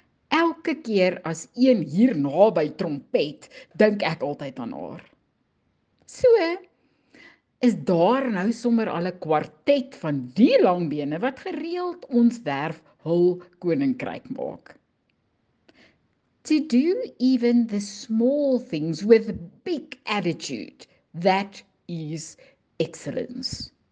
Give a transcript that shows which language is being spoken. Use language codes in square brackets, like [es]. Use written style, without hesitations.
[af] Elke keer as een hier naby trompet, dink ek altyd aan haar. So is daar nou sommer al 'n kwartet van die langbene wat gereeld ons werf hul koninkryk maak. [en] To do even the small things with big attitude, that is excellence.